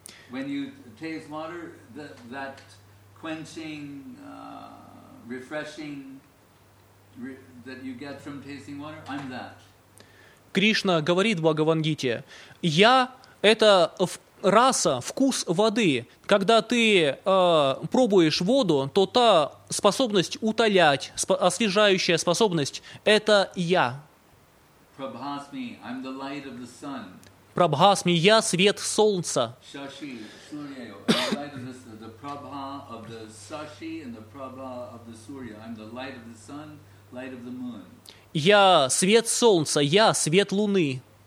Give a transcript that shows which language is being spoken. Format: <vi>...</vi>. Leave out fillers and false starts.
<en>When you taste water, that quenching, refreshing that you get from tasting water, I'm that.</en> <ru>Кришна говорит в Бхагавангите, «Я — это раса, вкус воды. Когда ты пробуешь воду, то та способность утолять, освежающая способность — это я».</ru> <en>Prabhasmi, I'm the light of the sun.</en> <ru>Prabhasmi, я свет солнца.</ru> <en>Shashi, Suryayo, I'm the light of the Prabha of the Shashi and the Prabha of the Surya. I'm the light of the sun, light of the moon.</en> <ru>Я свет солнца, я свет луны.</ru>